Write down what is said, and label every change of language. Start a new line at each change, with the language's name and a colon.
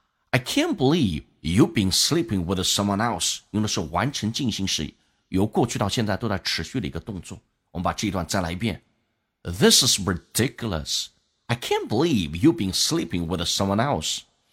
English: I can't believe you've been sleeping with someone else.
Chinese: 用的是完成进行时，由过去到现在都在持续的一个动作。我们把这一段再来一遍。
English: This is ridiculous. I can't believe you've been sleeping with someone else.